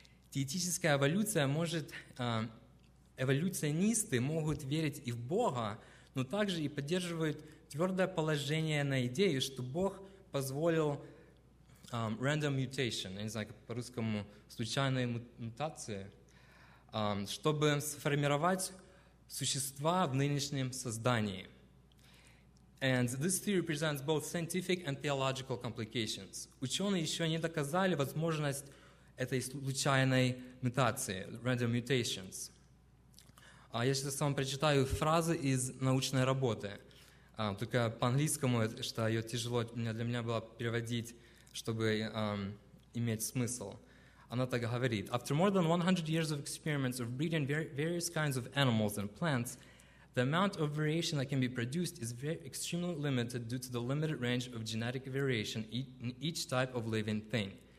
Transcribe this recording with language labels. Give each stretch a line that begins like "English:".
Russian: Теетическая эволюция может... Эволюционисты могут верить и в Бога, но также и поддерживают твердое положение на идею, что Бог позволил
English: random mutation,
Russian: я не знаю, как по-русскому, случайные мутации, чтобы сформировать существа в нынешнем создании.
English: And this theory presents both scientific and theological complications.
Russian: Ученые еще не доказали возможность этой случайной мутации,
English: random mutations.
Russian: Я сейчас вам прочитаю фразы из научной работы. Только по-английскому, что ее тяжело для меня было переводить, чтобы иметь смысл. Она так говорит.
English: After more than 100 years of experiments of breeding various kinds of animals and plants, the amount of variation that can be produced is extremely limited due to the limited range of genetic variation in each type of living thing.